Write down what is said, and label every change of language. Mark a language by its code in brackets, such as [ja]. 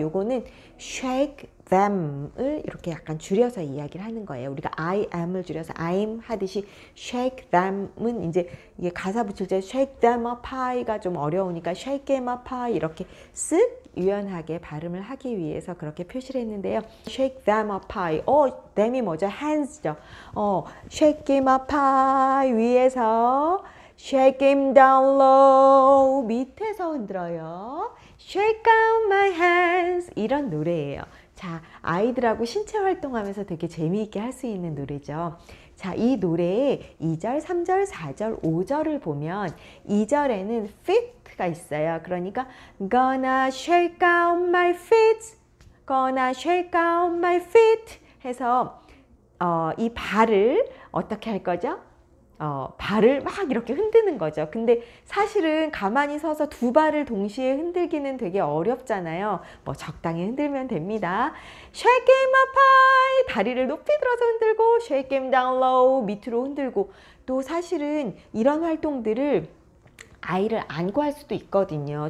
[ko] 요거는 [en] shake them [ko] 을 이렇게 약간 줄여서 이야기를 하는 거예요. 우리가 I am을 줄여서 I'm 하듯이 shake them은 이제 이게 가사 붙일 때 [en] shake them up high [ko] 가 좀 어려우니까 shake them up high 이렇게 쓱 유연하게 발음을 하기 위해서 그렇게 표시를 했는데요. [en] shake them up high. them이 [ko] 뭐죠? [en] hands죠. shake him up high [ko] 위에서 [en] shake him down low [ko] 밑에서 흔들어요. [en] shake out my hands [ko] 이런 노래예요. 자, 아이들하고 신체 활동하면서 되게 재미있게 할 수 있는 노래죠. 자, 이 노래의 2절, 3절, 4절, 5절을 보면 2절에는 feet가 있어요. [en] 그러니까 gonna shake out my feet, gonna shake out my feet [ko] 해서 이 발을 어떻게 할 거죠? 발을 막 이렇게 흔드는 거죠. 근데 사실은 가만히 서서 두 발을 동시에 흔들기는 되게 어렵잖아요. 뭐 적당히 흔들면 됩니다. [en] Shake him up high! [ko] 다리를 높이 들어서 흔들고 [en] Shake him down low! [ko] 밑으로 흔들고 또 사실은 이런 활동들을 아이를 안고 할 수도 있거든요.